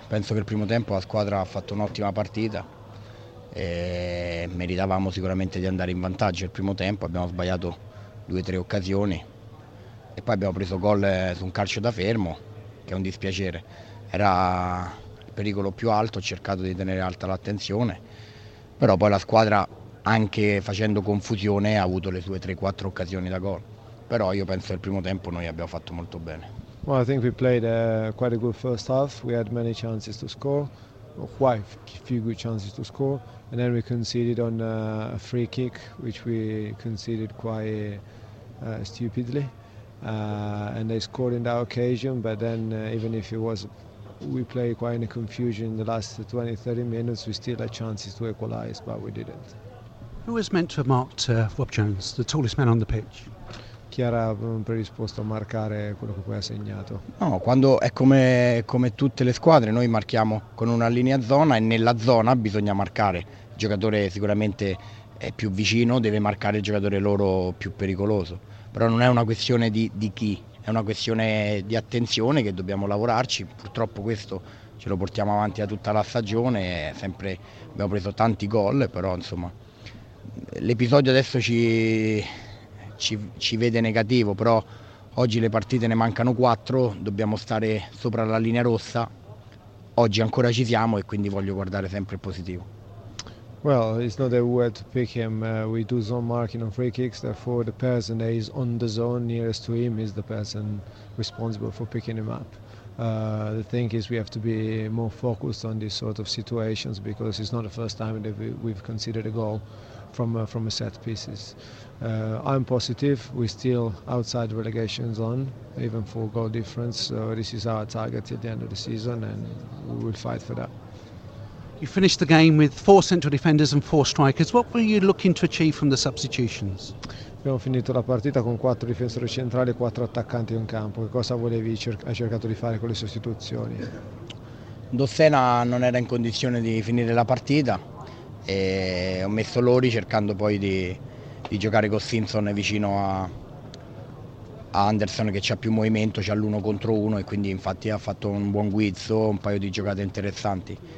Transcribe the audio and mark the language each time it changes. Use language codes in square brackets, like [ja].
[it] Penso che il primo tempo la squadra ha fatto un'ottima partita. E meritavamo sicuramente di andare in vantaggio il primo tempo, abbiamo sbagliato due o tre occasioni e poi abbiamo preso gol su un calcio da fermo, che è un dispiacere, era il pericolo più alto, ho cercato di tenere alta l'attenzione, però poi la squadra anche facendo confusione ha avuto le sue 3-4 occasioni da gol, però io penso che il primo tempo noi abbiamo fatto molto bene. [en] Well, I think we played quite a good first half, we had many chances to score. Quite a few good chances to score, and then we conceded on a free kick, which we conceded quite stupidly. And they scored in that occasion, but then even if it was, we played quite in a confusion in the last 20-30 minutes, we still had chances to equalise, but we didn't. Who was meant to have marked Rob Jones, the tallest man on the pitch? [it] Chiara predisposto a marcare quello che poi ha segnato. No, quando è come tutte le squadre, noi marchiamo con una linea zona e nella zona bisogna marcare. Il giocatore sicuramente è più vicino, deve marcare il giocatore loro più pericoloso. Però non è una questione di chi, è una questione di attenzione che dobbiamo lavorarci. Purtroppo questo ce lo portiamo avanti da tutta la stagione, sempre abbiamo preso tanti gol, però insomma l'episodio adesso ci vede negativo, però oggi le partite ne mancano 4, dobbiamo stare sopra la linea rossa, oggi ancora ci siamo e quindi voglio guardare sempre il positivo. [en] Well, it's not a word to pick him, we do zone marking on free kicks, therefore the person that is on the zone nearest to him is the person responsible for picking him up. The thing is we have to be more focused on these sort of situations because it's not the first time that we've conceded a goal from a set pieces. I'm positive, we're still outside the relegation zone, even for goal difference, so this is our target at the end of the season and we will fight for that. You finished the game with 4 central defenders and 4 strikers. What were you looking to achieve from the substitutions? [it] Abbiamo finito la partita con 4 difensori centrali e 4 attaccanti in campo. Che cosa volevi, hai cercato di fare con le sostituzioni? Dossena non era in condizione di finire la partita e ho messo Lori cercando poi di giocare con Simpson vicino a Anderson che c'ha più movimento, c'ha l'uno contro uno e quindi infatti ha fatto un buon guizzo, un paio di giocate interessanti.